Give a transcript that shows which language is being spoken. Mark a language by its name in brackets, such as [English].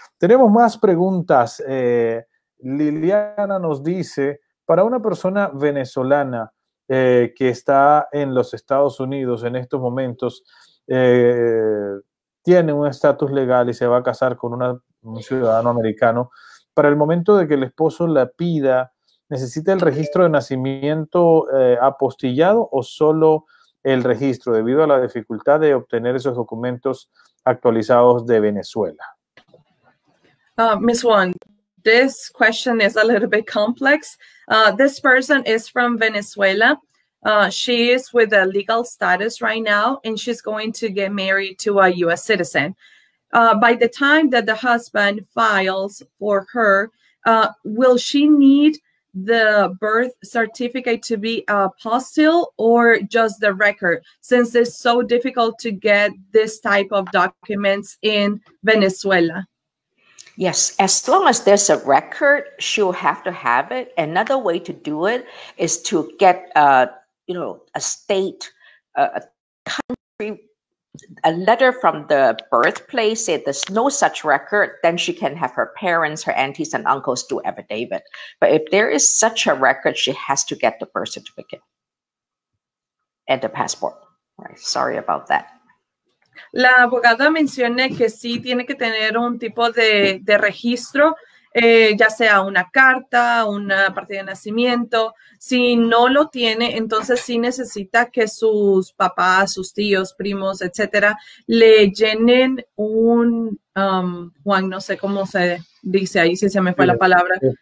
[Spanish] Tenemos más preguntas. Liliana nos dice, para una persona venezolana que está en los Estados Unidos en estos momentos, tiene un estatus legal y se va a casar con un ciudadano americano, para el momento de que el esposo la pida, ¿necesita el registro de nacimiento apostillado o solo el registro debido a la dificultad de obtener esos documentos actualizados de Venezuela? [English] Ms. Wong, this question is a little bit complex. This person is from Venezuela. She is with a legal status right now, and she's going to get married to a U.S. citizen. By the time that the husband files for her, will she need the birth certificate to be apostille or just the record, since it's so difficult to get this type of documents in Venezuela? Yes, as long as there's a record, she'll have to have it. Another way to do it is to get a state, a country, a letter from the birthplace, say there's no such record, then she can have her parents, her aunties and uncles do affidavit. But if there is such a record, she has to get the birth certificate and the passport. Right. Sorry about that. [Spanish] La abogada menciona que sí tiene que tener un tipo de registro, ya sea una carta, una partida de nacimiento. Si no lo tiene, entonces sí necesita que sus papás, sus tíos, primos, etcétera, le llenen un, Juan, no sé cómo se dice ahí, si se me fue la palabra.